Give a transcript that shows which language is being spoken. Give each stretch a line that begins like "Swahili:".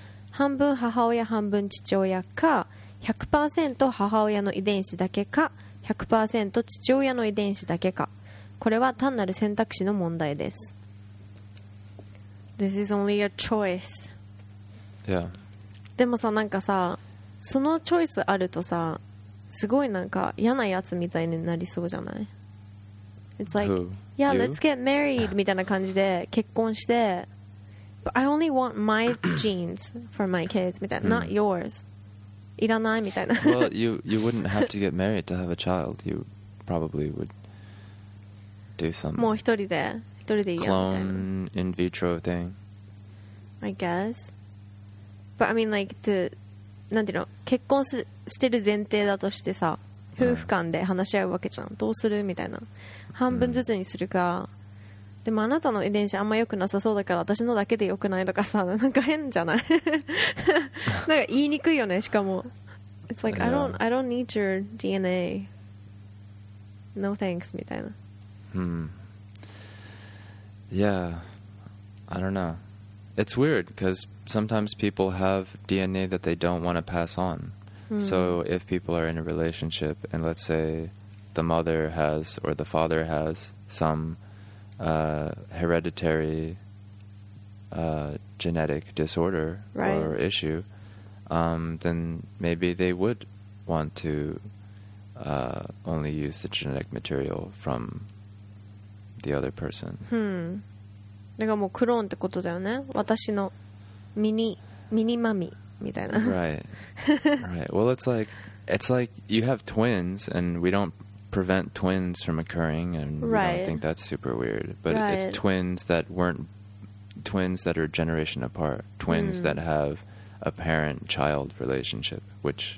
Japanese: 半分母親、半分父親か 100% 母親の遺伝子だけか 100% 父親の遺伝子だけか、これは単なる選択肢の問題です。
English: This is only a choice. Yeah.
Japanese: でもさ、なんかさ、そのチョイスあるとさ、すごいなんか嫌なやつみたいになりそうじゃない？
English: It's like, yeah, let's get married
Japanese: みたいな感じで結婚して、
English: But I only want my genes for my kids
Japanese: みたいな、
English: not yours.
Japanese: いらないみたいな。
English: Well, you wouldn't have to get married to have a child. You probably would do some.
Japanese: もう一人でいいやみたいな。
English: Clone in vitro thing. I guess. But I mean, like to.
Japanese: なんていうの、結婚してる前提だとしてさ、夫婦間で話し合うわけじゃん、どうするみたいな、半分ずつにするか、でもあなたの遺伝子あんま良くなさそうだから私のだけで良くないとかさ、なんか変じゃないなんか言いにくいよね。しかも
English: It's like, I don't need your DNA. No thanks
Japanese: みたいな。
English: Yeah, I don't know. It's weird because sometimes people have DNA that they don't want to pass on. So if people are in a relationship and let's say the mother has or the father has some hereditary genetic disorder right. or issue, then maybe they would want to only use the genetic material from the other person.
Japanese: だからもうクローンってことだよね。私のミニマミみたいな。
English: Right. Right. Well, it's like you have twins and we don't prevent twins from occurring and we right. don't think that's super weird. But right. it's twins that are generation apart. Twins that have a parent-child relationship, which...